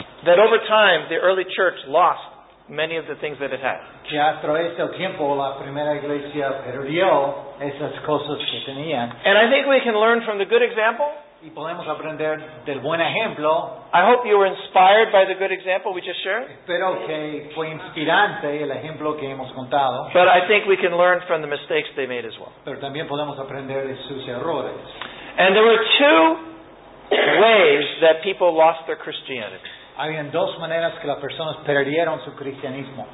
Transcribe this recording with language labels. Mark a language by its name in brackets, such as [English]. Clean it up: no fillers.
[English] that over time the early church lost many of the things that it had. [Spanish] Que a través del tiempo la primera iglesia perdió esas cosas que tenía. [English] And I think we can learn from the good example. [Spanish] Y podemos aprender del buen ejemplo. [English] I hope you were inspired by the good example we just shared. [Spanish] Espero que fue inspirante el ejemplo que hemos contado. [English] But I think we can learn from the mistakes they made as well. [Spanish] Pero también podemos aprender de sus errores. [English] And there were two ways that people lost their Christianity. [Spanish] Habían dos maneras que las personas perdieron su cristianismo.